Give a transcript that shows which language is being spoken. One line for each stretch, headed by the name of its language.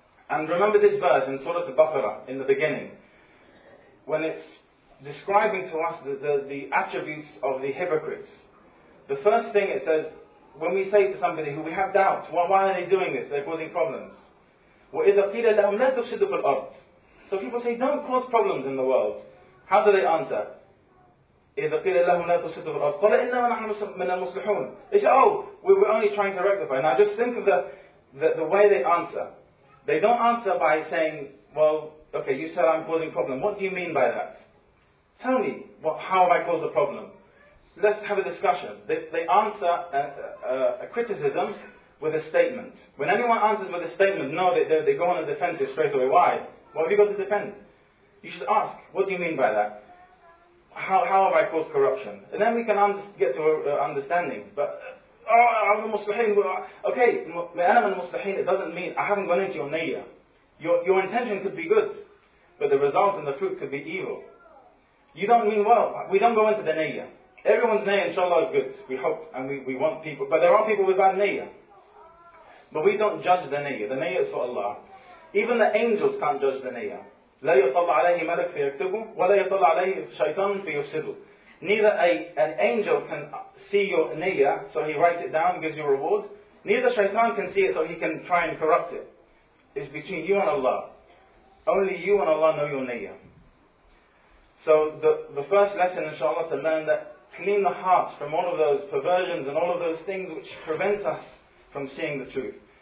English: And remember this verse in Surah Al-Baqarah in the beginning, when it's describing to us the attributes of the hypocrites. The first thing it says, when we say to somebody who we have doubts, well, why are they doing this? They're causing problems.
Arabic: وَإِذَا قِيلَ لَهُمْ لَا تُفْسِدُوا فِي الْأَرْضِ.
English: So people say, don't cause problems in the world. How do they answer?
Arabic: إذا قيل لهم لا تفسدوا في الأرض قال إنما نحن من المصلحون.
English: They say, oh, we're only trying to rectify. Now just think of the way they answer. They don't answer by saying, well, okay, you said I'm causing a problem. What do you mean by that? Tell me, how have I caused a problem? Let's have a discussion. They answer a criticism with a statement. When anyone answers with a statement, no, they go on a defensive straight away. Why? What have you got to defend? You should ask, what do you mean by that? How have I caused corruption? And then we can get to an understanding. But, I'm a muslihin. Okay, I'm a muslihin. It doesn't mean I haven't gone into your niyyah. Your intention could be good, but the result and the fruit could be evil. You don't mean well. We don't go into the niyyah. Everyone's niyyah, inshallah, is good. We hope and we want people. But there are people with bad niyyah. But we don't judge the niyyah. The niyyah is for Allah. Even the angels can't judge the niyyah.
Arabic: لا يطلع عليه ملك فيكتبه ولا يطلع عليه شيطان فيفسده.
English: Neither an angel can see your niyyah, so he writes it down, gives you a reward. Neither shaitan can see it, so he can try and corrupt it. It's between you and Allah. Only you and Allah know your niyyah. So the first lesson, inshallah, to learn that clean the hearts from all of those perversions and all of those things which prevent us from seeing the truth.